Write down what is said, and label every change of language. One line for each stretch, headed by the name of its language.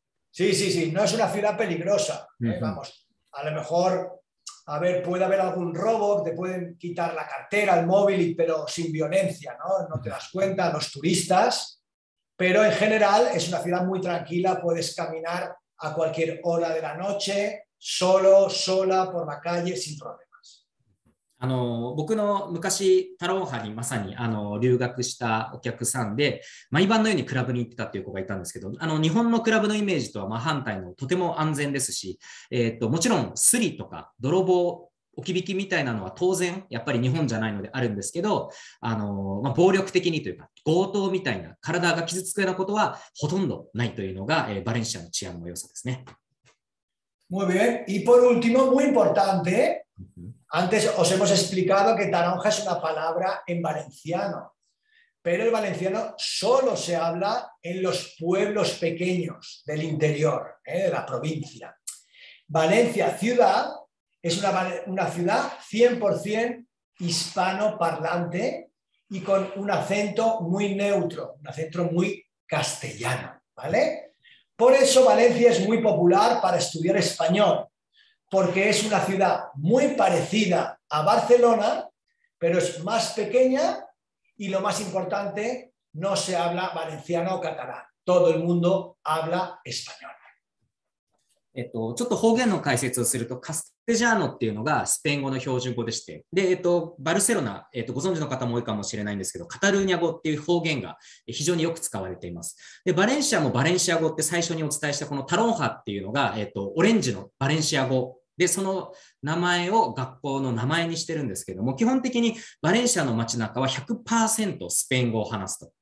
Spanish: Sí, sí, sí, no es una ciudad peligrosa. Vamos, a lo mejor a ver, puede haber algún robo, te pueden quitar la cartera, el móvil, pero sin violencia, ¿no? No te das cuenta, los turistas. Pero en general es una ciudad muy tranquila, puedes caminar a cualquier hora de la noche, solo, sola, por la calle, sin problemas.
Japanese: あの、僕の昔、タローハにまさにあの留学したお客さんで、毎晩のようにクラブに行ってたっていう子がいたんですけど、あの、日本のクラブのイメージとは真反対の、とても安全ですし、もちろんスリとか泥棒、置き引きみたいなのは当然、やっぱり日本じゃないのであるんですけど、あの、まあ、暴力的にというか、強盗みたいな、体が傷つくようなことはほとんどないというのが、バレンシアの治安の良さですね。
Spanish: Muy bien. Y por último, muy importante. Antes os hemos explicado que taronja es una palabra en valenciano, pero el valenciano solo se habla en los pueblos pequeños del interior, ¿eh? De la provincia. Valencia ciudad es una ciudad 100% hispanoparlante y con un acento muy neutro, un acento muy castellano, ¿vale? Por eso Valencia es muy popular para estudiar español. Porque es una ciudad muy parecida a Barcelona, pero es más pequeña y lo más importante, no se habla valenciano o catalán. Todo el mundo habla español.
Japanese: ちょっと方言の解説をすると、カステジャーノっていうのがスペイン語の標準語でして、で、バルセロナ、ご存知の方も多いかもしれないんですけど、カタルーニャ語っていう方言が非常によく使われています。で、バレンシアもバレンシア語って最初にお伝えしたこのタロンハっていうのが、オレンジのバレンシア語で、その名前を学校の名前にしてるんですけども、基本的にバレンシアの街中は 100% スペイン語を話すと。